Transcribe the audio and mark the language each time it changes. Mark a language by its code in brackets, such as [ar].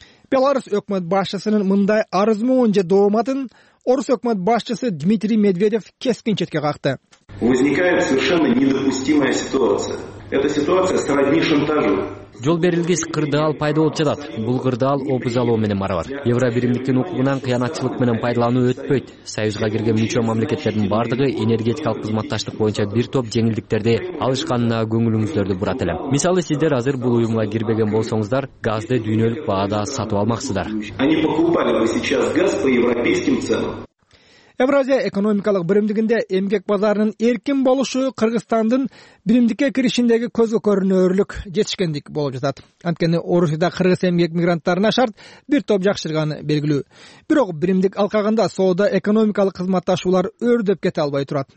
[ky] Беларусь өкмөт башчысынын мындай арызмоон же дооматын Орус өкмөт башчысы Дмитрий Медведев кескин четке какты. [ru] Возникает совершенно недопустимая ситуация. Эта ситуация сродни шантажу. [ky] Жол берилгис кырдаал пайда болуп жатат. Бул кырдаал опузалоо менен барабар. Евро биримдиктин укугунан кыянатчылык менен пайдалануу өтпөйт. Союзга кирген мүчө мамлекеттердин бардыгы энергетикалык кызматташтык боюнча бир топ жеңилдиктерди алышканына көңүлүңүздөрдү бурат элем. Мисалы, сиздер азыр бул уюмга кирбеген болсоңуздар, газды дүйнөлүк баада сатып алмаксыздар. [ru] Они покупали бы сейчас газ по европейским ценам. [ky] Евразия экономикалык биримдигинде эмгек базарынын эркин болушу Кыргызстандын биримдикке киришиндеги көзгө көрүнөрлүк жетишкендик болуп жатат. Анткени Орусияда кыргыз эмгек мигранттарына шарт бир топ жакшырганы белгилүү. Бирок биримдик алкагында соода экономикалык кызматташуулар өрдөп кете албай турат.